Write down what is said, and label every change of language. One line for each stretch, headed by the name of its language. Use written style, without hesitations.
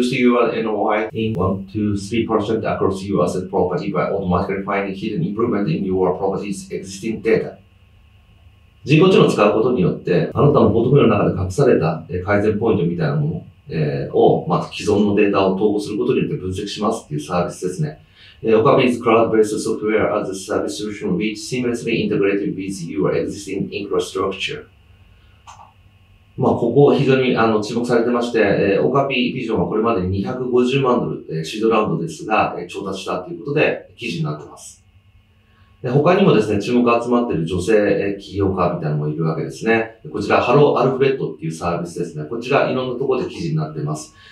English: Boost your NOI in 1-3% across your asset property by automatically finding hidden improvement in your property's existing data。
Japanese: 人工知能を使うことによって、あなたのポートフォリオの中で隠された改善ポイントみたいなものを、まあ、既存のデータを統合することによって分析しますっていうサービスですね。
English: Okabe is cloud-based software as a service solution which seamlessly integrated with your existing infrastructure。
Japanese: まあ、ここ非常に注目されてまして、Okabe Vision はこれまでに250万ドル、シードラウンドですが、調達したということで記事になってます。他にもですね、注目が集まっている女性起業家みたいなのもいるわけですね。こちら、ハローアルフレッドっていうサービスですね。こちら、いろんなところで記事になっています。